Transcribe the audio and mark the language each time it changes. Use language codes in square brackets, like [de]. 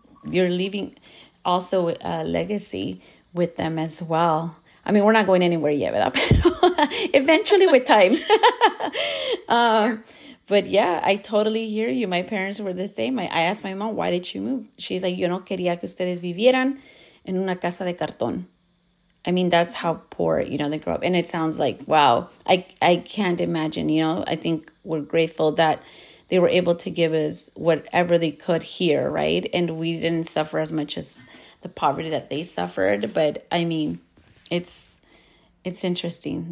[en] You're leaving also a legacy with them as well. I mean, we're not going anywhere yet, but eventually with time. But yeah, I totally hear you. My parents were the same. I asked my mom, why did you move? She's like, [es] yo no quería que ustedes vivieran en una casa de cartón. [en] I mean, that's how poor, you know, they grow up. And it sounds like, wow, I can't imagine, you know. I think we're grateful that they were able to give us whatever they could here, right? And we didn't suffer as much as the poverty that they suffered. But I mean, it's interesting.